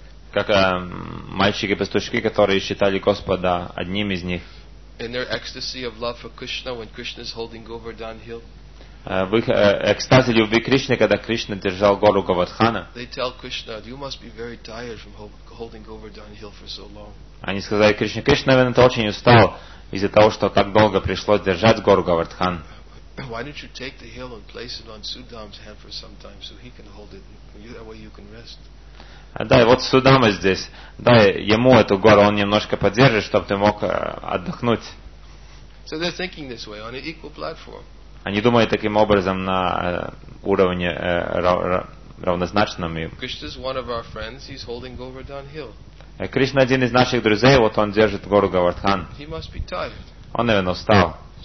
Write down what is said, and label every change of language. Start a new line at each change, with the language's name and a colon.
Russian: Как мальчики-пастушки, которые считали Господа одним из них.
English: In their ecstasy of love for Krishna, when Krishna is holding Govardhan Hill.
Russian: В их экстазе любви Кришны, когда Кришна держал гору Говардхана, они сказали Кришне, Кришна, наверное, ты очень устал из-за того, что так долго пришлось держать гору Говардхан. Дай, вот Судама здесь, дай ему эту гору, он немножко подержит, чтобы ты мог отдохнуть.
English: So they're thinking this way, on an equal platform.
Russian: Они думают таким образом на уровне равнозначном. Кришна один из наших друзей, вот он держит гору Говардхан. Он, наверное, устал.